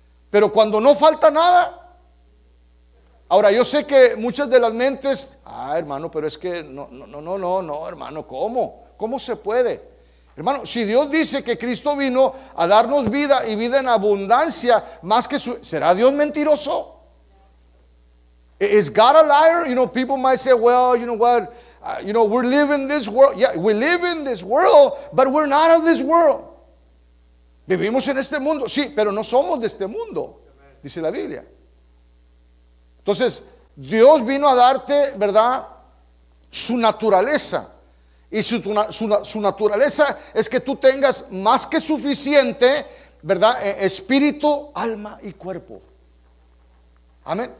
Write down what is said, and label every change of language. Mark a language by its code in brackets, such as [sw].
[es] Pero cuando no falta nada. Ahora, yo sé que muchas de las mentes, ah, hermano, pero es que hermano, ¿cómo? ¿Cómo se puede? Hermano, si Dios dice que Cristo vino a darnos vida y vida en abundancia, más que su, ¿será Dios mentiroso? [en] Is God a liar? You know, people might say, well, you know what? You know, we live in this world. Yeah, we live in this world, but we're not of this world. [es] Vivimos en este mundo. Sí, pero no somos de este mundo, dice la Biblia. Entonces, Dios vino a darte, ¿verdad?, su naturaleza. Y su naturaleza es que tú tengas más que suficiente, ¿verdad?, espíritu, alma y cuerpo. Amén.